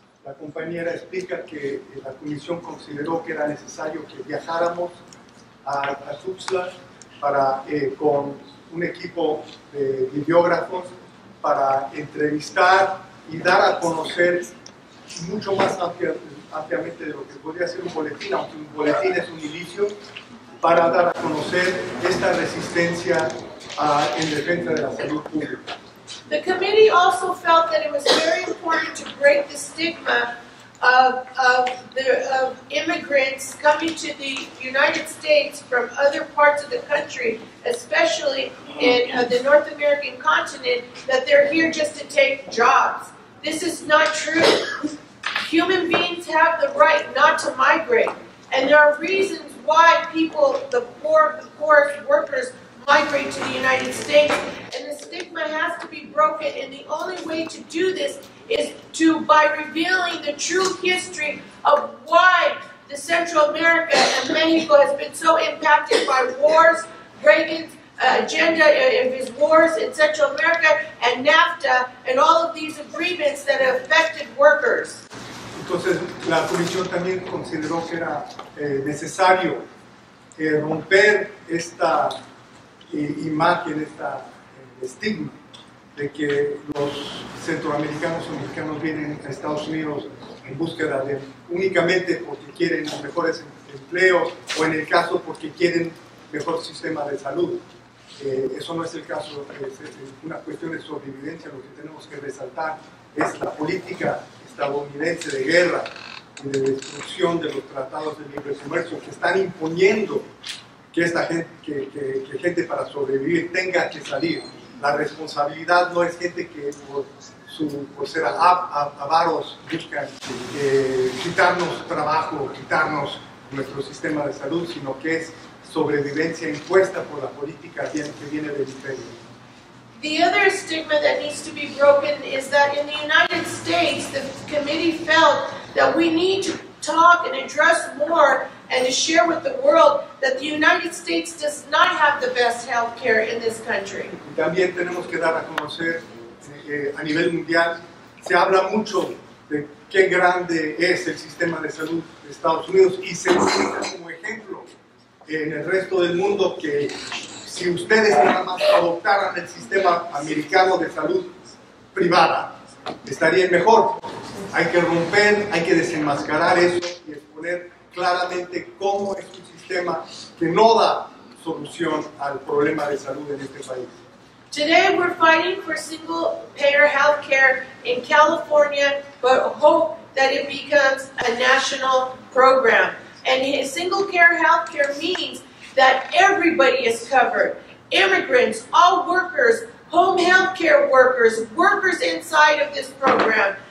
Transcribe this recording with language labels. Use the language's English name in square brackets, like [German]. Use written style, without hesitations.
[Spanish] La compañera explica que la comisión consideró que era necesario que viajáramos a Tuxtla para, con un equipo de videógrafos, para entrevistar y dar a conocer mucho más ampliamente de lo que podría ser un boletín, aunque un boletín es un inicio, para dar a conocer esta resistencia en defensa de la salud pública. [English] The committee also felt that it was very important to break the stigma of immigrants coming to the United States from other parts of the country, especially in the North American continent, that they're here just to take jobs. This is not true. Human beings have the right not to migrate, and there are reasons why people, the poorest workers, migrate to the United States, and the stigma has to be broken, and the only way to do this is to by revealing the true history of why the Central America and Mexico has been so impacted by wars, Reagan's agenda of his wars in Central America, and NAFTA, and all of these agreements that have affected workers. [Spanish] Entonces, la comisión también consideró que era necesario romper esta imagen, esta estigma de que los centroamericanos o mexicanos vienen a Estados Unidos en búsqueda de únicamente porque quieren los mejores empleos, o en el caso porque quieren mejor sistema de salud. Eso no es el caso, es una cuestión de sobrevivencia. Lo que tenemos que resaltar es la política estadounidense de guerra y de destrucción de los tratados de libre comercio, que están imponiendo que esta gente, que gente para sobrevivir tenga que salir. La responsabilidad no es gente que por ser avaros buscan quitarnos trabajo, quitarnos nuestro sistema de salud, sino que es sobrevivencia impuesta por la política que viene del imperio. [English] The other stigma that needs to be broken is that in the United States, the committee felt that we need to talk and address more and to share with the world that the United States does not have the best health care in this country. [Spanish] También tenemos que dar a conocer a nivel mundial, se habla mucho de qué grande es el sistema de salud de Estados Unidos, y se cita como ejemplo en el resto del mundo que si ustedes nada más adoptaran el sistema americano de salud privada, estaría mejor. Hay que romper, hay que desenmascarar eso y exponer claramente cómo es un sistema que no da solución al problema de salud en este país. [English] Today we're fighting for single payer health care in California, but hope that it becomes a national program. And single payer health care means that everybody is covered. Immigrants, all workers, home health care workers, workers inside of this program.